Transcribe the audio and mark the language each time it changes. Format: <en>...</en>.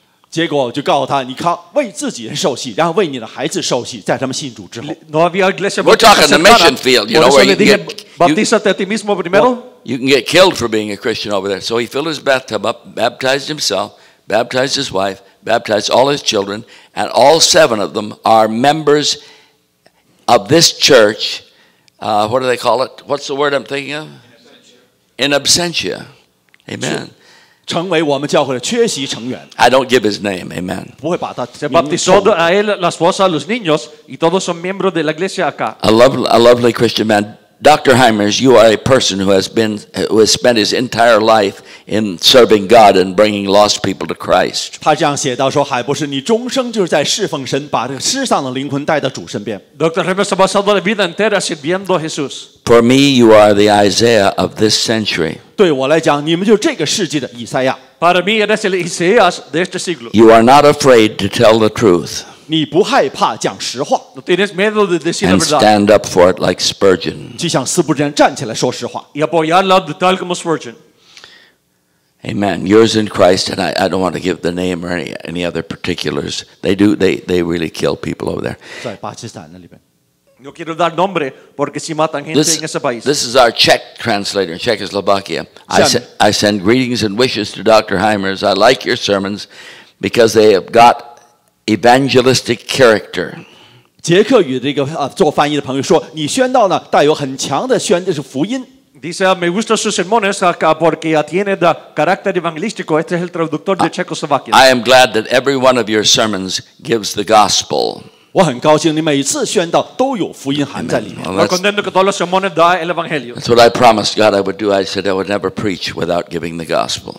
<zh>结果就告诉他，你靠为自己人受洗，然后为你的孩子受洗，在他们信主之后。</zh> <en>We're talking the mission field, you know where you get.</en> <es>Baptízate a ti mismo primero.</es> <en>You can get killed for being a Christian over there. So he filled his bathtub up, baptized himself, baptized his wife, baptized all his children, and all 7 of them are members of this church. What do they call it? What's the word I'm thinking of? In absentia. Amen.</en> <zh>成为我们教会的缺席成员。</zh> <en>I don't give his name, amen.</en> <zh>不会把他。</zh> <es>Se bautizó a él, la esposa, los niños, y todos son miembros de la iglesia acá.</es> <en>A lovely Christian man. Dr. Hymers, you are a person who has been, who has spent his entire life in serving God and bringing lost people to Christ.</en> <zh>他这样写到说，海博士，你终生就是在侍奉神，把这个失丧的灵魂带到主身边。</zh> <es>Dr. Hymers ha pasado la vida entera sirviendo a Jesús.</es> <en>For me, you are the Isaiah of this century.</en> <zh>对我来讲，你们就是这个世纪的以赛亚。</zh> <es>Para mí eres el Isaías de este siglo.</es> <en>You are not afraid to tell the truth.</en> <zh>你不害怕讲实话。</zh> <es>No tienes miedo de decir la verdad.</es> <en>And stand up for it like Spurgeon.</en> <zh>就像斯布真站起来说实话。</zh> <es>Y apoyarlo tal como Spurgeon.</es> <en>Amen. Yours in Christ, and I don't want to give the name or any other particulars. They do. They really kill people over there.</en> <zh>在巴基斯坦那里边。</zh> <es>No quiero dar nombre porque si matan gente en ese país.</es> <en>This is our Czech translator, Czechoslovakia. I send greetings and wishes to Dr. Hymers. I like your sermons because they have got evangelistic character.</en> <zh>捷克语的一个做翻译的朋友说，你宣道呢带有很强的宣的是福音。</zh> <es>Dice, me gusta sus sermones porque tiene el carácter evangelístico. Este es el traductor de Czechoslovakia.</es> <en>I am glad that every one of your sermons gives the gospel.</en> <zh>我很高兴你每次宣道都有福音含在里面。</zh> <en>That's what I promised God I would do. I said I would never preach without giving the gospel.</en>